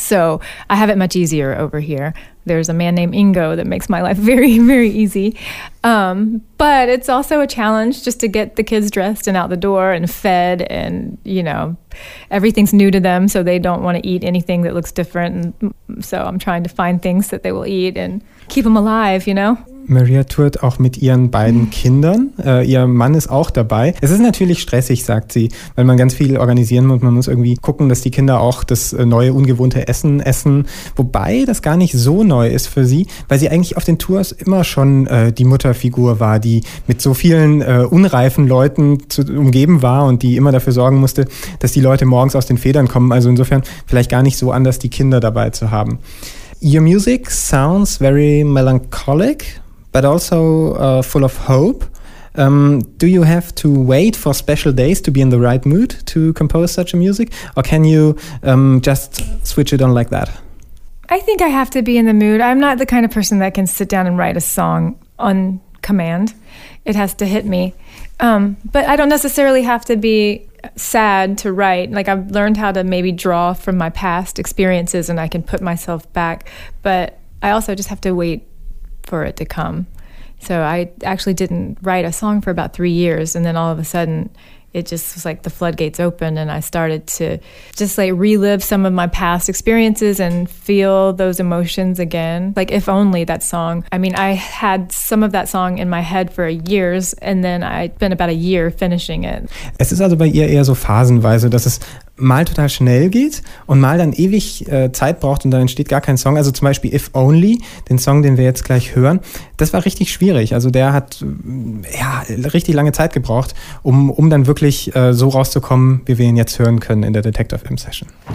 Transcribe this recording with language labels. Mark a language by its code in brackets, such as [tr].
[en] So I have it much easier over here. There's a man named Ingo that makes my life very, very easy. But it's also a challenge just to get the kids dressed and out the door and fed, and, you know, everything's new to them, so they don't want to eat anything that looks different. And so I'm trying to find things that they will eat and keep them alive, you know? [de] Maria tourt auch mit ihren beiden Kindern. Ihr Mann ist auch dabei. Es ist natürlich stressig, sagt sie, weil man ganz viel organisieren muss. Man muss irgendwie gucken, dass die Kinder auch das neue, ungewohnte Essen essen. Wobei das gar nicht so neu ist für sie, weil sie eigentlich auf den Tours immer schon die Mutterfigur war, die mit so vielen unreifen Leuten umgeben war und die immer dafür sorgen musste, dass die Leute morgens aus den Federn kommen. Also insofern vielleicht gar nicht so anders, die Kinder dabei zu haben. [en] Your music sounds very melancholic, but also full of hope. Do you have to wait for special days to be in the right mood to compose such a music? Or can you just switch it on like that? I think I have to be in the mood. I'm not the kind of person that can sit down and write a song on command. It has to hit me. But I don't necessarily have to be sad to write. Like, I've learned how to maybe draw from my past experiences and I can put myself back. But I also just have to wait for it to come. So I actually didn't write a song for about 3 years, and then all of a sudden it just was like the floodgates opened and I started to just like relive some of my past experiences and feel those emotions again. Like, if only that song. I mean, I had some of that song in my head for years, and then I spent about a year finishing it. [de] Es ist also bei ihr eher so phasenweise, dass es mal total schnell geht und mal dann ewig Zeit braucht und dann entsteht gar kein Song. Also zum Beispiel If Only, den Song, den wir jetzt gleich hören, das war richtig schwierig. Also der hat richtig lange Zeit gebraucht, um dann wirklich so rauszukommen, wie wir ihn jetzt hören können in der Detector FM Session.